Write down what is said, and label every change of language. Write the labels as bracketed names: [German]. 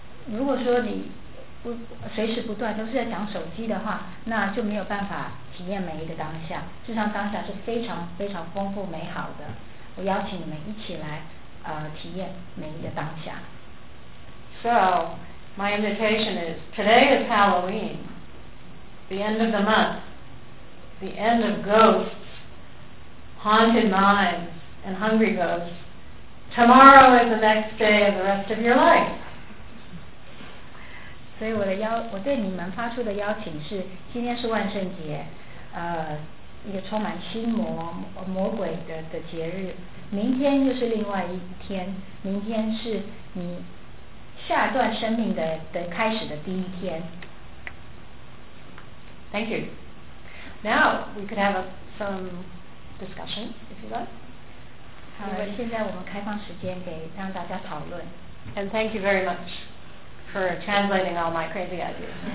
[Chinese] 如果说你不随时不断都是在讲手机的话，那就没有办法体验每一个当下。事实上，当下是非常非常丰富美好的。我邀请你们一起来体验每一个当下。 [English] So. My invitation is, today is Halloween, the end of the month, the end of ghosts, haunted minds, and hungry ghosts. Tomorrow is the next day of the rest of your life. [Chinese] 所以我对你们发出的邀请是，今天是万圣节，一个充满心魔鬼的节日，明天就是另外一天，明天是你下段生命的开始的第一天。 [English] Thank you. Now we could have some discussion if you like. [Chinese] 好的，现在我们开放时间给让大家讨论。 [English] And thank you very much for translating all my crazy ideas.